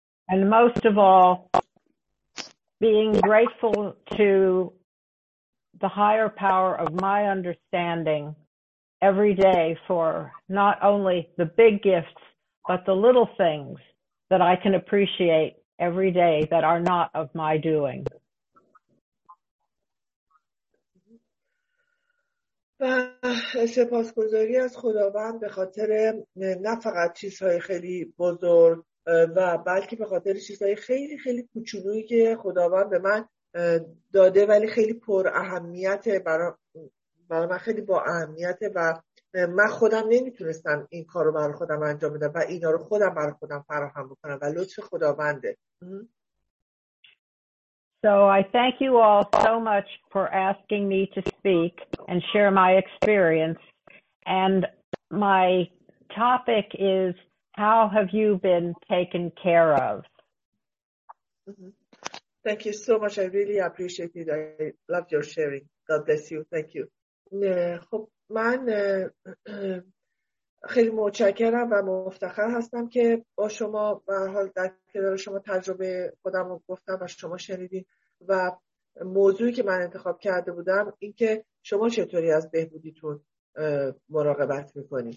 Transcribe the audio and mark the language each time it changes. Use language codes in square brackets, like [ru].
[en] And most of all, being grateful to the higher power of my understanding every day for not only the big gifts but the little things that I can appreciate every day that are not of my doing. [fa] و سپاسگزاری از خداوند به خاطر نه فقط چیزهای خیلی بزرگ و بلکه به خاطر چیزهای خیلی خیلی کوچولویی که خداوند به من داده ولی خیلی پر اهمیته، برای من خیلی با اهمیته و من خودم نمیتونستم این کار رو برای خودم انجام بدم و اینا رو خودم برای خودم فراهم بکنم و لطف خداونده. [en] So I thank you all so much for asking me to speak and share my experience. And my topic is, how have you been taken care of? Thank you so much. I really appreciate it. I love your sharing. God bless you. Thank you. [fa] خب من خیلی متشکرم و مفتخر هستم که با شما به حال در کنار شما تجربه خودم رو گفتم و شما شنیدین. و موضوعی که من انتخاب کرده بودم این که شما چطوری از بهبودیتون مراقبت میکنید.